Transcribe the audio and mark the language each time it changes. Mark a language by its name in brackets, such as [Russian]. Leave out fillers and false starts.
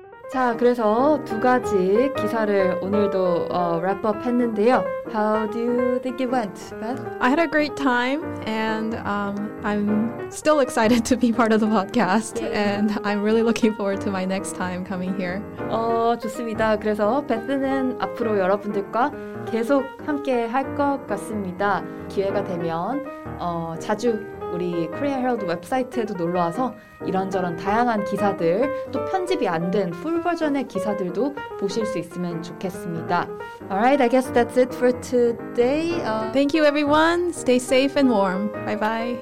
[Korean] 자, 그래서 두 가지 기사를 오늘도 랩업 했는데요. [English] How do you think it went, Beth? I had a great time, and I'm still excited to be part of the podcast, yeah. And I'm really looking forward to my next time coming here. [Korean] 좋습니다. 그래서 Beth는 앞으로 여러분들과 계속 함께 할 것 같습니다. 기회가 되면 자주 우리 Korea Herald 웹사이트에도 놀러와서 이런저런 다양한 기사들 또 편집이 안 된 풀 버전의 기사들도 보실 수 있으면 좋겠습니다. [English] Alright, I guess that's it for today. Thank you everyone. Stay safe and warm. Bye bye.